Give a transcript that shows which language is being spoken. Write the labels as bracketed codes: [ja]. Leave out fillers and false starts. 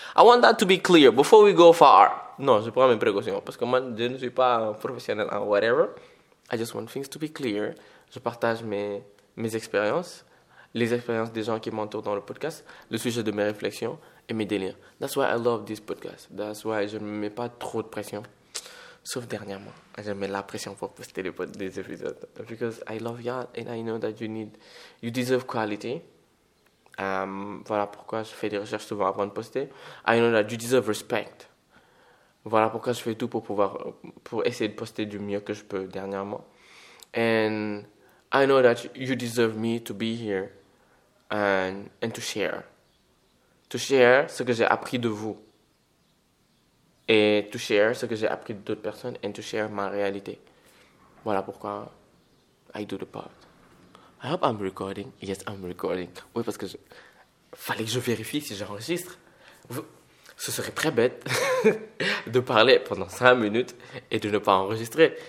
[en] I want that to be clear before we go far. [fr] Non, je prends mes précautions parce que moi, je ne suis pas un professionnel en whatever. [en] I just want things to be clear. [fr] Je partage mes expériences, les expériences des gens qui m'entourent dans le podcast, le sujet de mes réflexions et mes délires. [en] That's why I love this podcast. That's why [fr] je ne me mets pas trop de pression. Sauf dernièrement, je mets la pression pour poster des épisodes. [en] Because I love you and I know that you deserve quality. [fr] Voilà pourquoi je fais des recherches souvent avant de poster. [en] I know that you deserve respect. [fr] Voilà pourquoi je fais tout pour essayer de poster du mieux que je peux dernièrement. [en] And I know that you deserve me to be here and to share. To share [fr] ce que j'ai appris de vous. Et [en] to share [fr] ce que j'ai appris d'autres personnes [en] and to share [fr] ma réalité. Voilà pourquoi [en] I do the part. I hope I'm recording. Yes, I'm recording. [fr] Oui, parce que fallait que je vérifie si j'enregistre. Ce serait très bête de parler pendant 5 minutes et de ne pas enregistrer.